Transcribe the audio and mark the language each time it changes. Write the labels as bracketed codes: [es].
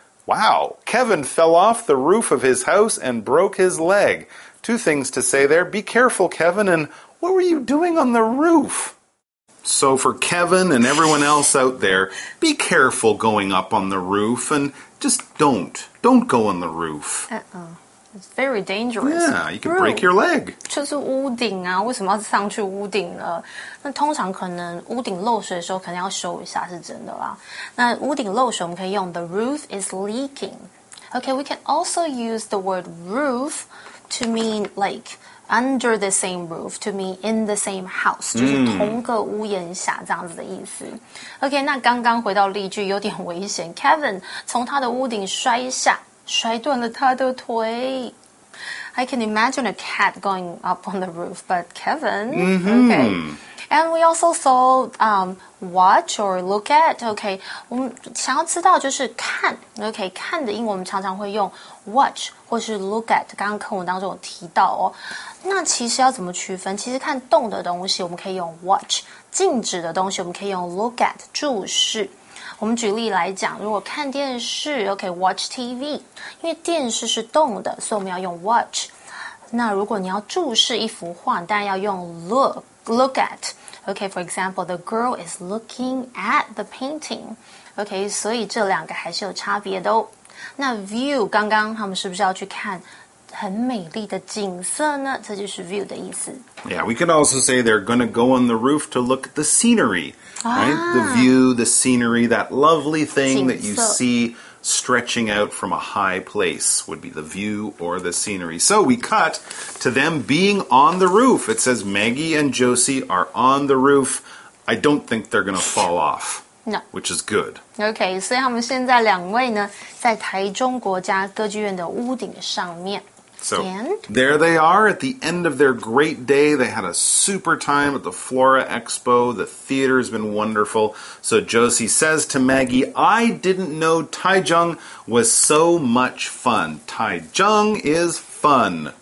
[en] Wow, Kevin fell off the roof of his house and broke his leg. Two things to say there. Be careful, Kevin, and what were you doing on the roof? So for Kevin and everyone else out there, be careful going up on the roof and just don't go on the roof. It's very dangerous. Yeah, you could break your leg. [zh] 就是屋顶啊，为什么要上去屋顶呢？那通常可能屋顶漏水的时候，可能要修一下，是真的啦。那屋顶漏水，我们可以用 [en] the roof is leaking. Okay, we can also use the word roof to mean like under the same roof, to mean in the same house, [zh] 就是同个屋檐下这样子的意思。 Okay, 那刚刚回到例句，有点危险。Kevin 从他的屋顶摔下。摔断了他的腿。 [en] I can imagine a cat going up on the roof, but Kevin, okay. And we also saw watch or look at, okay. [zh] 我们想要知道就是看 okay, 看的英文我们常常会用 watch 或是 look at, 刚刚课文当中有提到哦。那其实要怎么区分？其实看动的东西我们可以用 watch, 静止的东西我们可以用 look at, 注视。我们举例来讲，如果看电视 ， [en] OK, watch TV， [zh] 因为电视是动的，所以我们要用 watch。那如果你要注视一幅画，当然要用 look at。 [en] OK, for example, the girl is looking at the painting。 [zh] OK, 所以这两个还是有差别的哦。那 view， 刚刚他们是不是要去看很美丽的景色呢？这就是 view 的意思。 [en] Yeah, we can also say they're going to go on the roof to look at the scenery. Right? The view, the scenery, that lovely thing that you see stretching out from a high place would be the view or the scenery. So we cut to them being on the roof. It says Maggie and Josie are on the roof. I don't think they're going to fall off. No. Which is good. [zh] Okay, 所以他们现在两位呢在台中国家歌剧院的屋顶上面。 [en] So there they are at the end of their great day. They had a super time at the Flora Expo. The theater has been wonderful. So Josie says to Maggie, I didn't know Taichung was so much fun. Taichung is fun.